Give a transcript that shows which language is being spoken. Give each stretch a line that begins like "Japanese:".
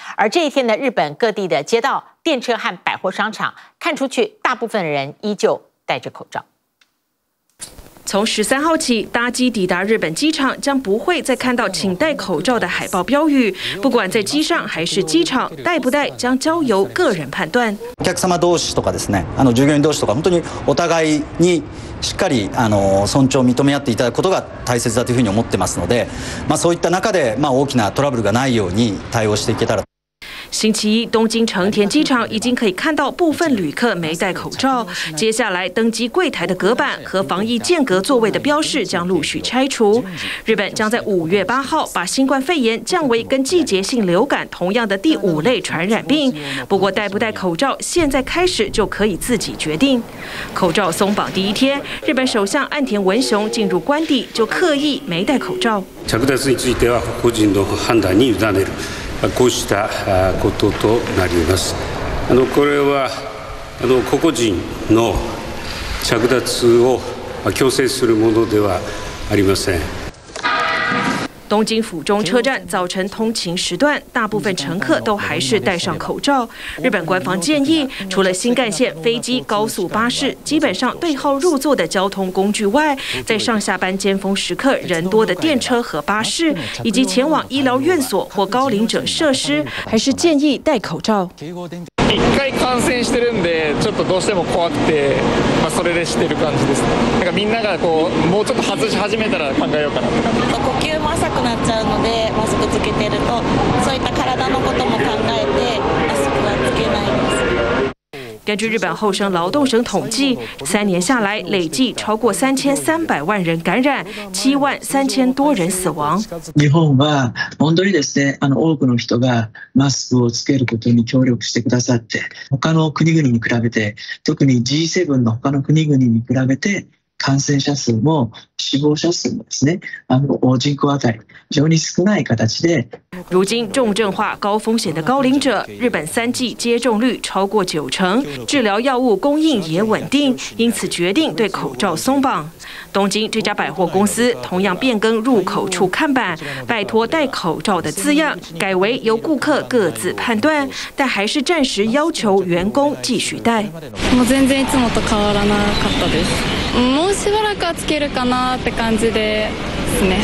Chinese: 而这一天的日本各地的街道、电车和百货商场，看出去大部分人依旧戴着口罩。从13号起，搭机抵达日本机场将不会再看到请戴口罩的海报标语。不管在机上还是机场，戴不戴将交由个人判断。
Japanese: お客様同士とかですね、従業員同士とか本当にお互いにしっかり尊重認め合っていただくことが大切だというふうに思ってますので、そういった中で大きなトラブルがないように対応していけたら。
Chinese: 星期一，东京成田机场已经可以看到部分旅客没戴口罩。接下来，登机柜台的隔板和防疫间隔座位的标示将陆续拆除。日本将在5月8号把新冠肺炎降为跟季节性流感同样的第5类传染病。不过，戴不戴口罩现在开始就可以自己决定。口罩松绑第一天，日本首相岸田文雄进入官邸就刻意没戴口罩。
Japanese: 着脱については個人の判断に委ねる。こうしたこととなります。これは個々人の着脱を強制するものではありません。
Chinese: 东京府中车站早晨通勤时段，大部分乘客都还是戴上口罩。日本官方建议，除了新干线、飞机、高速巴士，基本上对号入座的交通工具外，在上下班尖峰时刻人多的电车和巴士，以及前往医疗院所或高龄者设施，还是建议戴口罩。
Japanese: 一回感染してるんで、ちょっとどうしても怖くて、それでしてる感じです。なんかみんながこうもうちょっと外し始めたら考えようかなとか。呼吸も浅くなっちゃうので、マスクつけてると、そういった体のことも考えて、マスクはつけないです。
Chinese: 根据日本厚生劳动省统计，3年下来累计超过3300万人感染，73000多人死亡。
Japanese: 日本は本当にですね、多くの人がマスクをつけることに協力してくださって、他の国々に比べて、特に G7 の他の国々に比べて、感染者数も死亡者数もですね、人口当たり非常に少ない形で。
Chinese: 如今重症化、高风险的高龄者，日本3剂接种率超过90%，治疗药物供应也稳定，因此决定对口罩松绑。东京这家百货公司同样变更入口处看板，拜托戴口罩的字样，改为由顾客各自判断，但还是暂时要求员工继续戴。
Japanese: もう全然いつもと変わらなかったです。もうしばらくはつけるかなって感じですね。